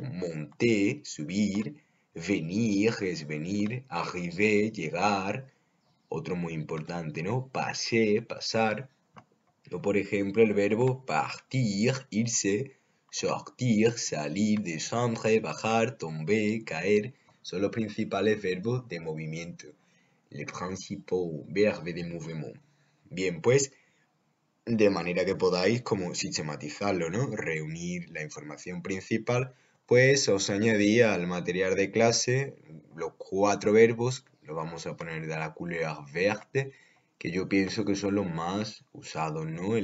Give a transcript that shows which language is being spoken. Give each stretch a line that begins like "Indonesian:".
Spanish: Monter, subir, venir, que es venir, arriver, llegar. Otro muy importante, ¿no? Passer, pasar. O por ejemplo, el verbo partir, irse, sortir, salir, descendre, bajar, tomber, caer. Son los principales verbos de movimiento.
French: Les principaux verbes de mouvement.
Spanish: Bien, pues, de manera que podáis como sistematizarlo, ¿no? Reunir la información principal, pues os añadí al material de clase los cuatro verbos. Lo vamos a poner
French: de la couleur verte,
Spanish: que yo pienso que son los más usados, ¿no?